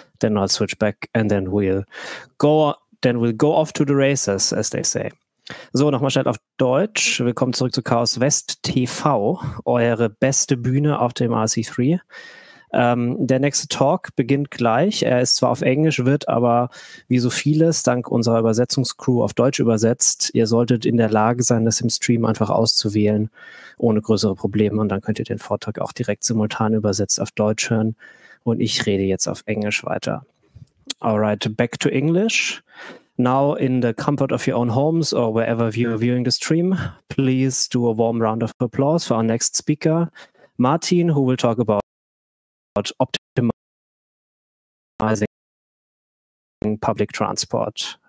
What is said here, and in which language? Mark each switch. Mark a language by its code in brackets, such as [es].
[en] Then I'll switch back and then we'll go off to the races, as they say. [de] So, nochmal schnell auf Deutsch. Willkommen zurück zu Chaos West TV, eure beste Bühne auf dem RC3. Der nächste Talk beginnt gleich. Er ist zwar auf Englisch, wird aber wie so vieles dank unserer Übersetzungscrew auf Deutsch übersetzt. Ihr solltet in der Lage sein, das im Stream einfach auszuwählen, ohne größere Probleme. Und dann könnt ihr den Vortrag auch direkt simultan übersetzt auf Deutsch hören. Und ich rede jetzt auf Englisch weiter. [en] Alright, back to English. Now in the comfort of your own homes or wherever you're viewing the stream, please do a warm round of applause for our next speaker, Martin, who will talk about optimizing public transport.